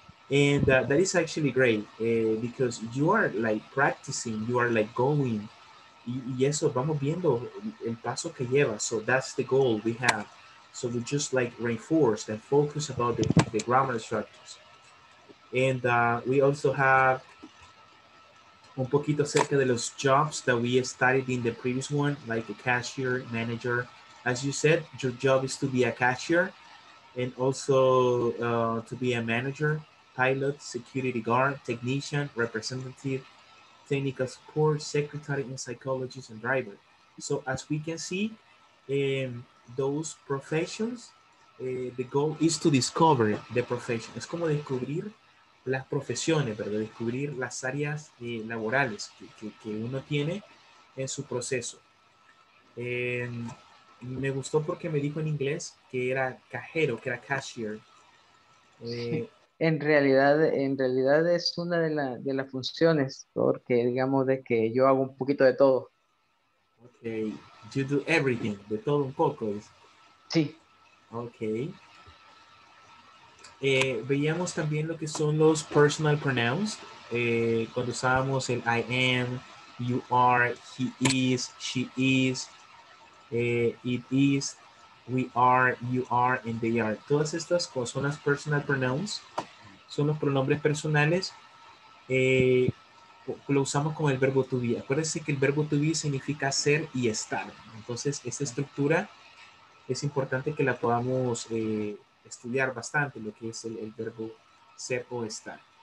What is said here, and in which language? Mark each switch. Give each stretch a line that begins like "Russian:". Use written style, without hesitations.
English: And that is actually great because you are like practicing. You are like going.
Spanish: Y eso, vamos viendo el paso que lleva.
English: So that's the goal we have. So we just like reinforce and focus about the grammar structures. And we also have
Spanish: un poquito acerca de los
English: jobs that we studied in the previous one, like a cashier, manager. As you said, your job is to be a cashier and also to be a manager, pilot, security guard, technician, representative, technical support, secretary, and psychologist and driver. So as we can see, those professions, the goal is to discover the profession.
Spanish: Es como descubrir las profesiones, ¿verdad? Descubrir las áreas laborales que uno tiene en su proceso. Me gustó porque me dijo en inglés que era cajero, que era cashier. Sí. En realidad es una de las funciones, porque digamos de que yo hago un poquito de todo.
English: Okay, you do everything,
Spanish: de todo un poco. Sí.
English: Okay.
Spanish: Veíamos también lo que son los personal pronouns. Cuando usábamos el
English: I am, you are, he is, she is, it is, we are, you are, and they are.
Spanish: Todas estas cosas son las personal pronouns, son los pronombres personales. Lo usamos con el verbo to be. Acuérdense que el verbo to be significa ser y estar. Entonces, esta estructura es importante que la podamos estudiar bastante, lo que es el verbo ser o estar.